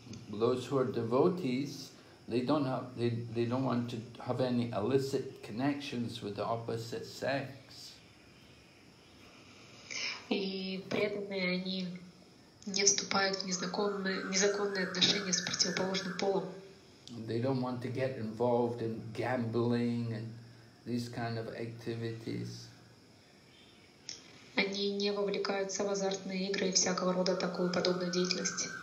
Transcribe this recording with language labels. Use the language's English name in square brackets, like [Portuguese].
[English] Those who are devotees, they don't want to have any illicit connections with the opposite sex. [Russian] И преданные, они не вступают в незаконные отношения с противоположным полом. [English] They don't want to get involved in gambling and these kind of activities. [Russian] Они не вовлекаются в азартные игры и всякого рода такую подобную деятельность.